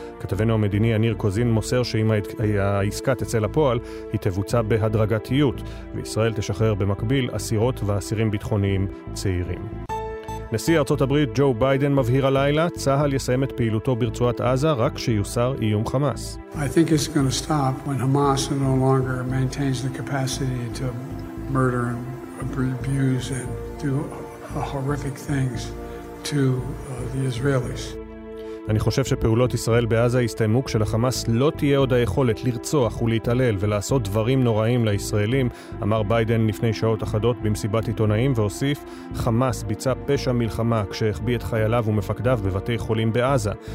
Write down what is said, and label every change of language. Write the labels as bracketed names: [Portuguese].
[Hebrew] כתבנו המדיני עניר קוזין מוסר שאם העסקה תצא לפועל, היא תבוצע בהדרגתיות, וישראל תשחרר במקביל אסירות ואסירים ביטחוניים צעירים. נשיא ארצות הברית ג'ו ביידן מבהיר הלילה, צהל יסיים את פעילותו ברצועת עזה רק שיוסר איום חמאס. [English] I think it's going to stop when Hamas no longer maintains the capacity to murder and abuse and do horrific things to the Israelis. [Hebrew] אני חושב שפעולות ישראל בעזה יסתיימו כשלחמאס לא תהיה עוד היכולת לרצוח ולהתעלל ולעשות דברים נוראים לישראלים, אמר ביידן לפני שעות אחדות במסיבת עיתונאים, והוסיף, חמאס ביצע פשע מלחמה כשהחביא את חייליו ומפקדיו בבתי חולים בעזה.